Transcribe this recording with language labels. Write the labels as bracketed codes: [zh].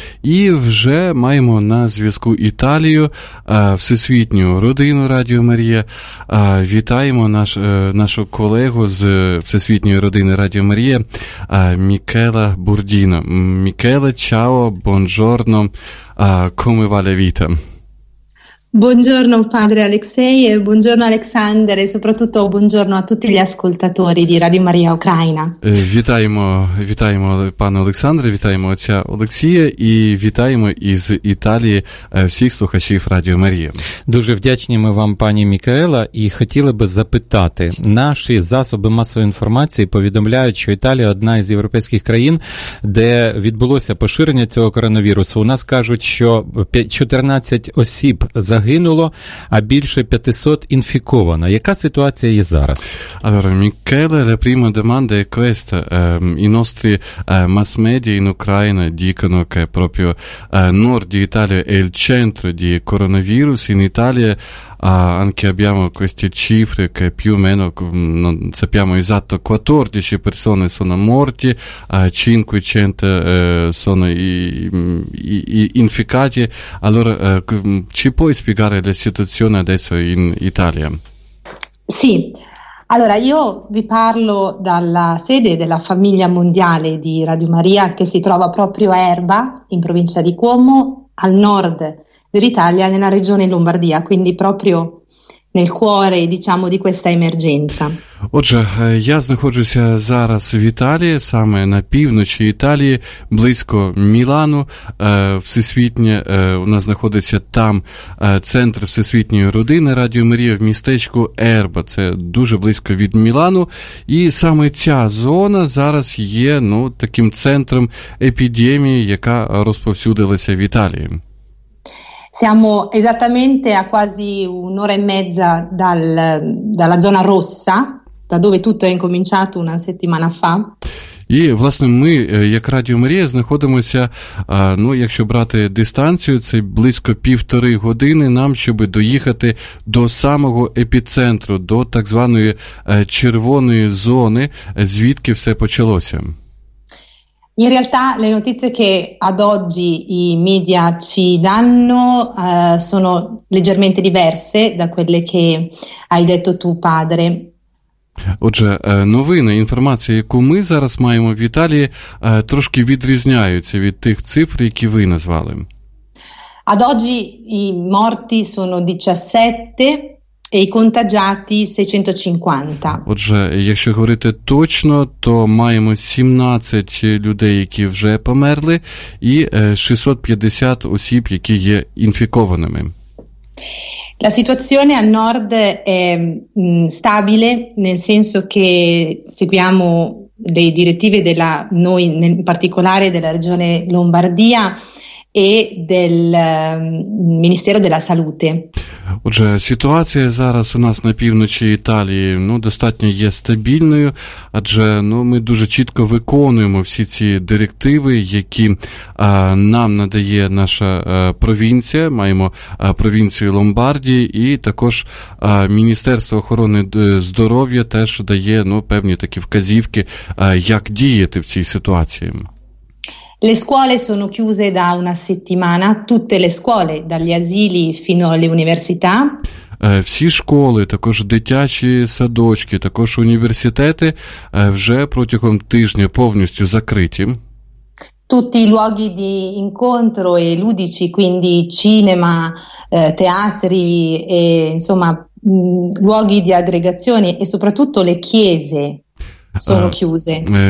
[uk] І вже маємо на зв'язку Італію, всесвітню родину Радіо Марія. Вітаємо нашу колегу з всесвітньої родини Радіо Марія, Мікела Бурдіно. [it] Мікела, чао, бонжорно, коме валя віта. Buongiorno padre Alexei e buongiorno Alexander e soprattutto buongiorno a tutti gli ascoltatori di Radio Maria Ucraina. [uk] Вітаємо пане Олександре, вітаємо отця Олексія і вітаємо із Італії всіх слухачів Радіо Марії. Дуже вдячні ми вам, пані Мікаела, і хотіли би запитати. Наші засоби масової інформації повідомляють, що Італія одна із європейських країн, де відбулося поширення цього коронавірусу. У нас кажуть, що 14 осіб загинуло, а більше 500 інфіковано. Яка ситуація є зараз? [it] Allora, Michele, la prima domanda è questa. I nostri mass media in Ucraina dicono che proprio nord di Italia è il centro di coronavirus. In Italia anche abbiamo queste cifre che più o meno, non sappiamo esatto, 14 persone sono morte, 500 sono infecate. Allora, ci puoi spiegare la situazione adesso in Italia? Sì, allora io vi parlo dalla sede della famiglia mondiale di Radio Maria che si trova proprio a Erba, in provincia di Cuomo, al nord dell'Italia, nella regione Lombardia, quindi proprio nel cuore, diciamo, di questa emergenza. [uk] Отже, я знаходжуся зараз в Італії, саме на півночі Італії, близько Мілану, всесвітнє, у нас знаходиться там центр всесвітньої родини Радіо Марія в містечку Ерба, це дуже близько від Мілану, і саме ця зона зараз є, ну, таким центром епідемії, яка розповсюдилася в Італії. [it] Siamo esattamente a quasi un'ora e mezza dalla zona rossa, da dove tutto è incominciato una settimana fa. [uk] І, власне, ми, як Радіо Марія, знаходимося, ну, якщо брати дистанцію, це близько півтори години нам, щоб доїхати до самого епіцентру, до так званої червоної зони, звідки все почалося. [it] In realtà le notizie che ad oggi i media ci danno sono leggermente diverse da quelle che hai detto tu, padre. [uk] Отже, новини, інформація, яку ми зараз маємо в Італії, трошки відрізняються від тих цифр, які ви назвали. [it] Ad oggi i morti sono 17 e i contagiati 650. [uk] Отже, якщо говорити точно, то маємо 17 людей, які вже померли, і 650 осіб, які є інфікованими. [it] La situazione a nord è stabile, nel senso che seguiamo le direttive della noi, in particolare della regione Lombardia e del Ministero della Salute. [uk] Отже, ситуація зараз у нас на півночі Італії, ну, достатньо є стабільною, адже, ну, ми дуже чітко виконуємо всі ці директиви, які нам надає наша провінція, маємо провінцію Ломбардії, і також Міністерство охорони здоров'я теж дає, ну, певні такі вказівки, як діяти в цій ситуації. [it] Le scuole sono chiuse da una settimana, tutte le scuole, dagli asili fino alle università. [uk] Всі школи, також дитячі садочки, також університети вже протягом тижня повністю закриті. [it] tutti i luoghi di incontro e ludici, quindi cinema, teatri e insomma luoghi di aggregazione, e soprattutto le chiese sono chiuse.